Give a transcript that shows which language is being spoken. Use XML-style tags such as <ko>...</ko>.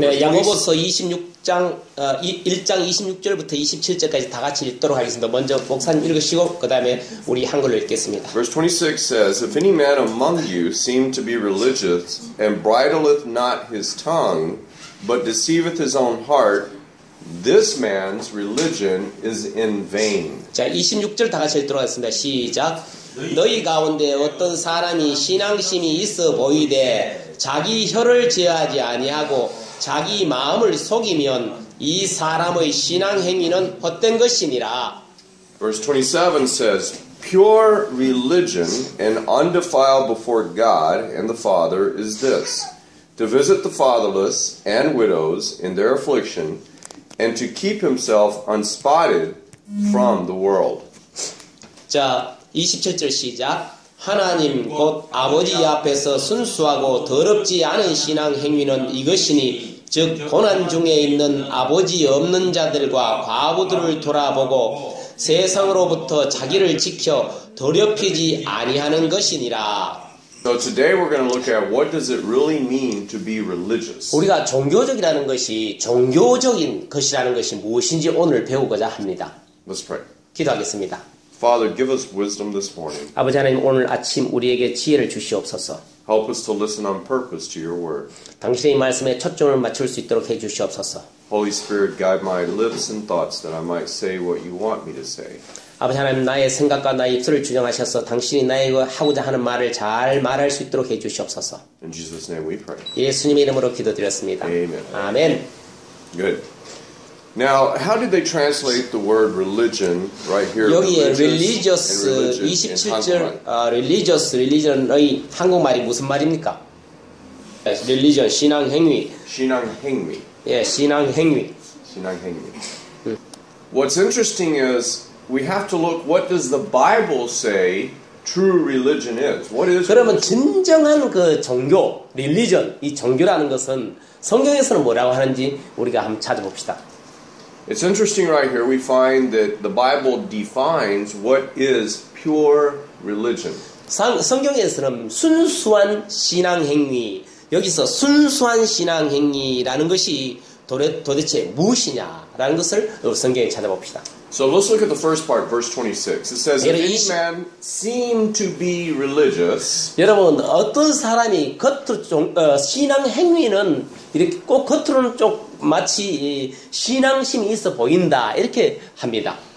<ko>네, 야고보서 26장 1장 26절부터 27절까지 다 같이 읽도록 하겠습니다. 먼저 목사님 읽으시고 그다음에 우리 한글로 읽겠습니다.</ko> <en>Verse 26 says, if any man among you seem to be religious and bridleth not his tongue, but deceiveth his own heart, this man's religion is in vain.</en> <ko>자, 26절 다 같이 읽도록 하겠습니다. 시작. 너희 가운데 어떤 사람이 신앙심이 있어 보이되 자기 혀를 제어하지 아니하고 자기 마음을 속이면 이 사람의 신앙 행위는 헛된 것이니라.</ko> <en>Verse 27 says, pure religion and undefiled before God and the Father is this: to visit the fatherless and widows in their affliction and to keep himself unspotted from the world.</en> <ko>자, 27절 시작. 하나님 곧 아버지 앞에서 순수하고 더럽지 않은 신앙 행위는 이것이니 즉 고난 중에 있는 아버지 없는 자들과 과부들을 돌아보고 세상으로부터 자기를 지켜 더럽히지 아니하는 것이니라.</ko> <en>So today we're going to look at what does it really mean to be religious.</en> <ko>우리가 종교적이라는 것이 종교적인 것이라는 것이 무엇인지 오늘 배우고자 합니다.</ko> <en>Let's pray.</en> <ko>기도하겠습니다.</ko> <en>Father, give us wisdom this morning.</en> <ko>아버지 하나님, 오늘 아침 우리에게 지혜를 주시옵소서.</ko> <en>Help us to listen on purpose to your word.</en> <ko>당신의 말씀에 초점을 맞출 수 있도록 해 주시옵소서.</ko> <en>Holy Spirit, guide my lips and thoughts that I might say what you want me to say.</en> <ko>아버지 하나님, 나의 생각과 나의 입술을 주장하셔서 당신이 나에게 하고자 하는 말을 잘 말할 수 있도록 해 주시옵소서.</ko> <en>In Jesus' name we pray.</en> <ko>예수님의 이름으로 기도드렸습니다.</ko> <en>Amen.</en> <ko>아멘.</ko> <en>Good. Now, how did they translate the word religion right here?</en> <ko>여기에 religious, religion 27절 religious, religion의 한국말이 무슨 말입니까? Religion, 신앙행위. 신앙행위. 예, 신앙행위. 신앙행위.</ko> <en>What's interesting is we have to look what does the Bible say true religion is. What is?</en> <ko>그러면 진정한 그 종교, religion, 이 종교라는 것은 성경에서는 뭐라고 하는지 우리가 한번 찾아봅시다.</ko> <en>It's interesting right here. We find that the Bible defines what is pure religion.</en> <ko>성경에서는 순수한 신앙 행위, 여기서 순수한 신앙 행위라는 것이 도대체 무엇이냐라는 것을 성경에 찾아봅시다.</ko> <en>So let's look at the first part, verse 26. It says, if any man seem to be religious.</en> <ko>여러분, 어떤 사람이 겉으로 좀, 신앙 행위는 이렇게 꼭 겉으로는 쪽 마치 신앙심이 있어 보인다 이렇게 합니다.</ko>